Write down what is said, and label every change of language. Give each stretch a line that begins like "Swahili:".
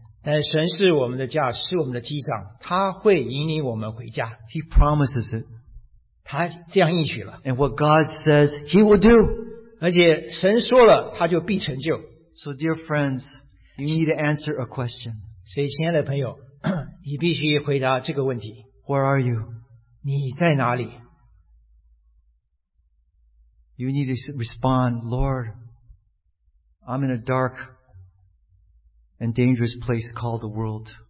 Chinese: 但神是我们的驾驶,是我们的机长,他会引领我们回家。
English: He promises it.
Chinese: 他这样应许了。
English: And what God says, He will do.
Chinese: 而且神说了,他就必成就。
English: So dear friends, you need to answer a question.
Chinese: 所以亲爱的朋友,你必须回答这个问题。
English: Where are you?
Chinese: 你在哪里?
English: You need to respond, Lord, I'm in a dark and dangerous place called the world.